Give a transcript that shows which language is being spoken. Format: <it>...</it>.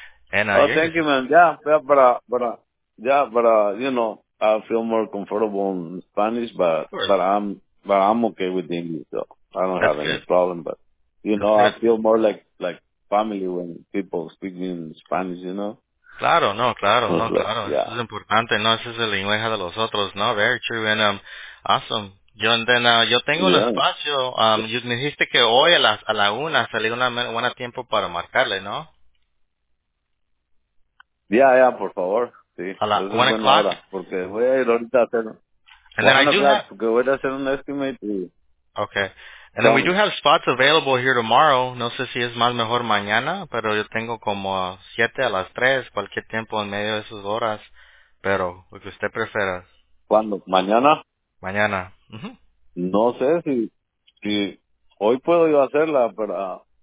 <en>Thank you, man, but I feel more comfortable in Spanish, but I'm okay with English, so I don't have any problem. But you know, I feel more like family when people speak in Spanish, you know.</en> <es>Claro. Yeah. Es importante, no, es el lenguaje de los otros, no.</es> <en>Very true and awesome.</en> <es>Yo tengo el espacio. Me dijiste que hoy a la una salió una buena tiempo para marcarle, ¿no? Yeah, por favor. Sí, a la 1 o'clock. Porque voy a ir ahorita a hacer.</es> <en>And then I do have.</en> <es>Porque voy a hacer un estimate.</es> <en>Okay. And then we do have spots available here tomorrow.</en> <es>No sé si es más mejor mañana, pero yo tengo como 7 a las 3, cualquier tiempo en medio de esas horas. Pero, lo que usted prefiera. ¿Cuándo? ¿Mañana? Mañana. Uh-huh. No sé si hoy puedo yo hacerla, pero.</es>